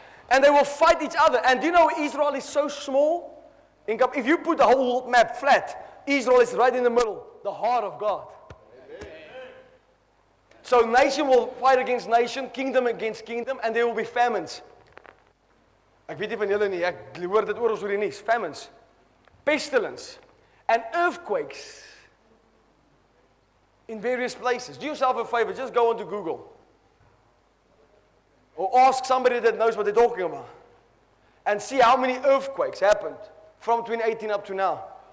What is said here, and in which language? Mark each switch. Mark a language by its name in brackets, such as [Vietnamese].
[English] And they will fight each other. And do you know Israel is so small? If you put the whole world map flat, Israel is right in the middle, the heart of God. Amen. So nation will fight against nation, kingdom against kingdom, and there will be famines. [Afrikaans] Ek weet nie van julle nie, ek hoor dit oor ons hoor die nuus. [English] Famines, pestilence, and earthquakes in various places. Do yourself a favor, just go onto Google. Or ask somebody that knows what they're talking about. And see how many earthquakes happened from 2018 up to now.